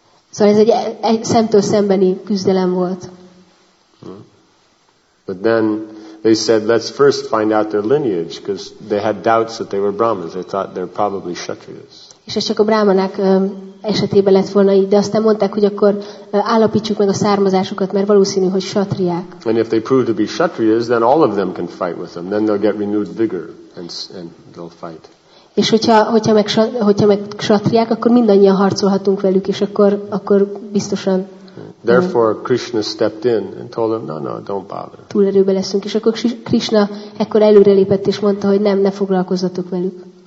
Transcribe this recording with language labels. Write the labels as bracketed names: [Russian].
[Hungarian] Szóval ez egy szemtől szembeni küzdelem volt. [English] But then they said, let's first find out their lineage, because they had doubts that they were Brahmins. They thought they're probably Kshatriyas. [Hungarian] És ez csak a brámanák esetében lett volna így, de aztán mondták, hogy akkor állapítsuk meg a származásukat, mert valószínű, hogy Kshatriyák. [English] And if they prove to be Kshatriyas, then all of them can fight with them. Then they'll get renewed vigor and they'll fight. [Hungarian] És hogyha meg Kshatriyák, akkor mindannyian harcolhatunk velük, és akkor biztosan. [English] Therefore Krishna stepped in and told him, no, don't bother. [Hungarian] Túlerőbe leszünk, és akkor Krishna ekkor előrelépett és mondta, hogy nem, ne foglalkozzatok velük.